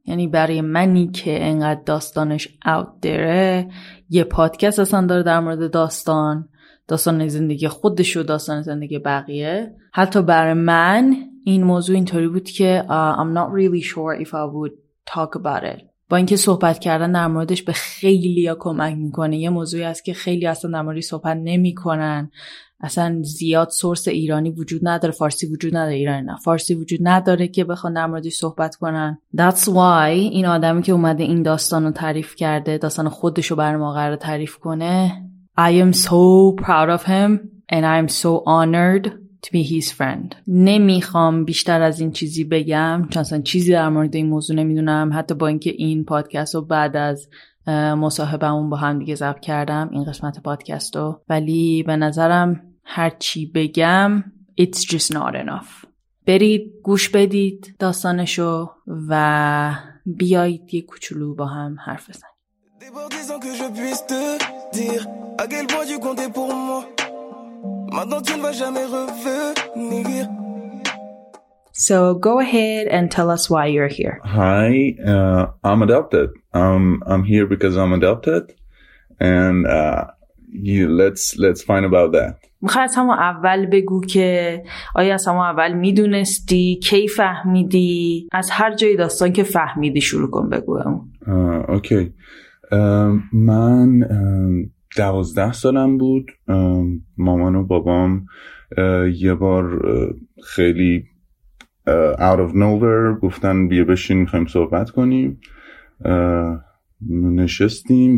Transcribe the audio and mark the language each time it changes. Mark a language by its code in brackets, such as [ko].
[fa] یعنی برای منی که انقدر داستانش اوت دره، یه پادکست اصلا داره در مورد داستان زندگی خودش و داستان زندگی بقیه، حتی برای من این موضوع اینطوری بود که [en] I'm not really sure if I would talk about it. [fa] با اینکه صحبت کردن در موردش به خیلی ها کمک میکنه، یه موضوعی هست که خیلی اصلا در موردش صحبت نمیکنن، اصلا زیاد سورس ایرانی وجود نداره، فارسی وجود نداره، ایرانی نه، فارسی وجود نداره که بخوان در موردش صحبت کنن. [en] That's why [fa] این آدمی که اومده این داستانو تعریف کرده، داستان خودشو برام قراره تعریف کنه، [en] I am so proud of him and I am so honored to be his friend. [fa] نمیخوام بیشتر از این چیزی بگم چون اصلا چیزی در مورد این موضوع نمیدونم، حتی با اینکه این پادکست رو بعد از مصاحبمون با هم دیگه ضبط کردم، این قسمت پادکست رو، ولی به نظرم هر چی بگم [en] it's just not enough. [fa] برید گوش بدید داستانشو و بیایید یه کوچولو با هم حرف بزنید. [fr] Débordisant que je puisse te dire à quel point tu comptais pour moi. Maintenant tu ne vas jamais revenir. [en] So go ahead and tell us why you're here. Hi, I'm adopted. I'm here because I'm adopted. And you let's find about that. [fa] می‌خواد شما اول بگو که آیا شما اول می‌دونستی، کی فهمیدی، از هر جای داستان که فهمیدی شروع کن بگو. اوکی. من 12 سالم بود، مامان و بابام یه بار خیلی [en] out of nowhere [fa] گفتن بیا بشین میخواییم صحبت کنیم، نشستیم.